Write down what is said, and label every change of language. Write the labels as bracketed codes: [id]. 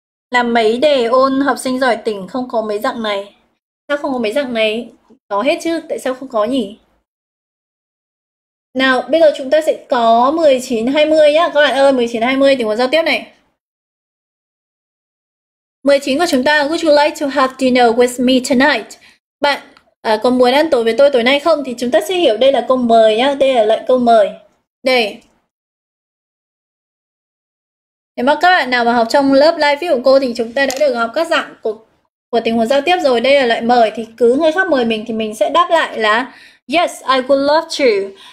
[vi] Làm mấy đề ôn học sinh giỏi tỉnh không có mấy dạng này. Sao không có mấy dạng này? Có hết chứ, tại sao không có nhỉ? Nào, bây giờ chúng ta sẽ có 19 20 nhá. Các bạn ơi, 19 20 thì muốn giao tiếp này. [en] 19 [vi] của chúng ta, [en] would you like to have dinner with me tonight? [vi] Bạn có muốn ăn tối với tôi tối nay không? Thì chúng ta sẽ hiểu đây là câu mời nhá, đây là lệnh câu mời. Đây. Nếu mà các bạn nào mà học trong lớp live view của cô thì chúng ta đã được học các dạng của tình huống giao tiếp rồi. Đây là loại mời thì cứ người khác mời mình thì mình sẽ đáp lại là [en] yes, I would love to.